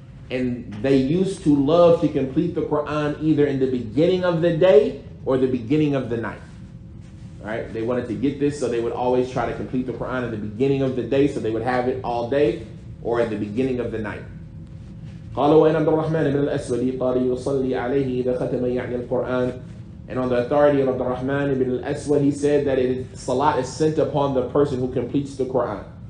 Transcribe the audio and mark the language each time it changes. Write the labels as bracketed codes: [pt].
[en] And they used to love to complete the Quran either in the beginning of the day or the beginning of the night. All right? They wanted to get this, so they would always try to complete the Quran in the beginning of the day, so they would have it all day or at the beginning of the night. [ar] قالوا أن عبد الرحمن بن الأسود قال يصلي عليه إذا ختم يعني القرآن. [en] And on the authority of عبد الرحمن بن الأسود, he said that salat is sent upon the person who completes the Quran.